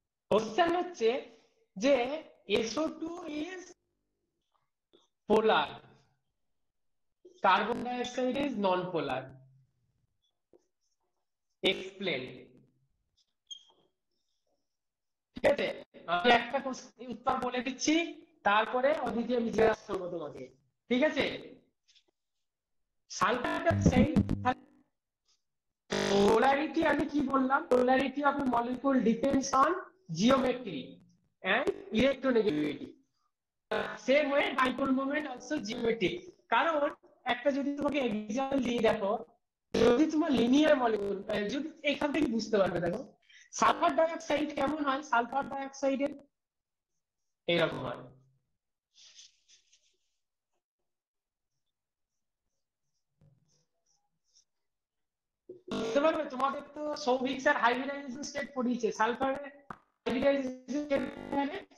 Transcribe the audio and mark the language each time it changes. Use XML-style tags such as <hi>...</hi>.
<en>question</en> <bn>হচ্ছে যে</bn> <en>SO2 is polar, carbon dioxide is non polar, explain,</en> <bn>ঠিক আছে? আমি একটা উত্তর বলে দিচ্ছি, তারপরে অদিতি আমি জিজ্ঞাসা করবো তোমাকে, ঠিক আছে?</bn> <en>sulphur সেই polarity</en> <bn>আমি কি বললাম,</bn> <en>Polarity of molecule depends on geometry and electronegativity. Same way, dipole moment also geometry.</en> <bn>কারণ একটা যদি তোমাকে এক্সাম্পল দিয়ে দেখো, যদি তোমার লিনিয়ার মলিকুল, যদি এখান থেকে বুঝতে পারবে, দেখো সালফার ডাইঅক্সাইড কেমন হয়, সালফার ডাইঅক্সাইডের এরকম হয়, তোমাদের তো Souvik sir hybridization state পড়িয়েছে, sulphur hybridization মানে</bn>